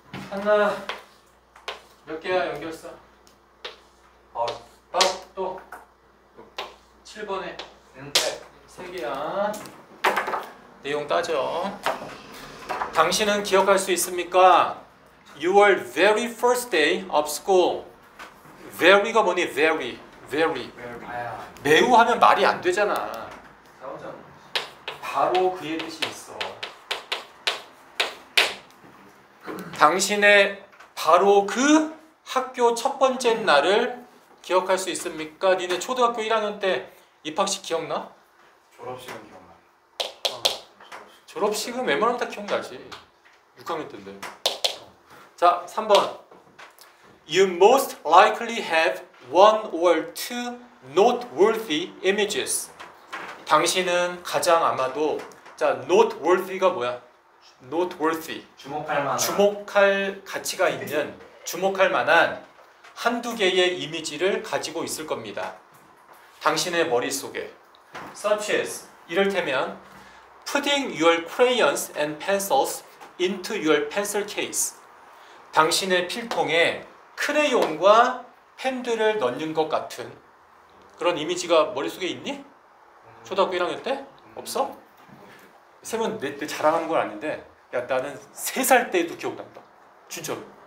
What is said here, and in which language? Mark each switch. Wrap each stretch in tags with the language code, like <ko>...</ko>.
<ko>하나, 몇 개야 연결서? 아, 또. 7번에. 네. 세 개야. 내용 따져. 당신은 기억할 수 있습니까?</ko> <en>Your very first day of school.</en> <ko>Very가 뭐니? Very. Very. 매우 하면 말이 안 되잖아. 바로 그의 뜻이 있어. 당신의 바로 그 학교 첫 번째 날을 기억할 수 있습니까? 니네 초등학교 1학년 때 입학식 기억나? 졸업식은 기억나. 졸업식은 웬만하면 다 기억나지. 6학년 때인데. 자, 3번.</ko> <en>You most likely have one or two noteworthy images.</en> <ko>당신은 가장 아마도 자 noteworthy가 뭐야?</ko> <en>noteworthy</en> <ko>주목할 만한 주목할 가치가 있는 주목할 만한 한두 개의 이미지를 가지고 있을 겁니다. 당신의 머릿속에</ko> <en>such as</en> <ko>이를테면</ko> <en>putting your crayons and pencils into your pencil case.</en> <ko>당신의 필통에 크레용과 펜들을 넣는 것 같은 그런 이미지가 머릿속에 있니? 초등학교 1학년 때? 없어? 샘은 내 때 자랑하는 건 아닌데 야 나는 3살 때도 기억난다 진짜로.</ko>